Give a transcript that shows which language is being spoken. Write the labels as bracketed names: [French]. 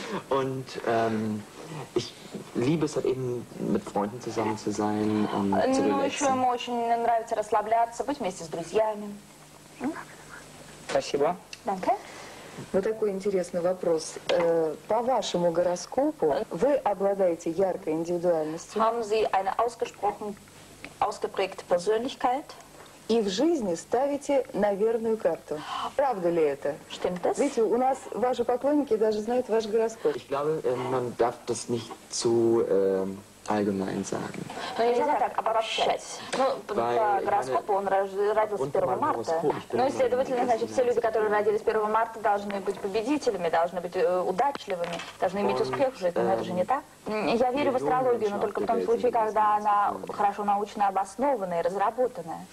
[German] Und ich liebe es halt eben mit Freunden zusammen zu sein und zu relaxen. [Russian] Ну, еще ему очень нравится расслабляться, быть вместе с друзьями. Спасибо. [German] Danke. [Russian] Вот такой интересный вопрос. По вашему гороскопу вы обладаете яркой индивидуальностью. [German] Haben Sie eine ausgeprägte Persönlichkeit? [Russian] И в жизни ставите на верную карту. Правда ли это? [German] Stimmt das? [Russian] Видите, у нас ваши поклонники даже знают ваш гороскоп. [German] Ich glaube, man darf das nicht zu allgemein sagen. [Russian] Ну, нельзя так обобщать. Ну, по гороскопу он родился 1 марта. Ну, следовательно, значит, все люди, которые родились 1 марта, должны быть победителями, должны быть удачливыми, должны иметь успех в жизни. Но это же не так. Я верю в астрологию, но только в том случае, когда она хорошо научно обоснована и разработана.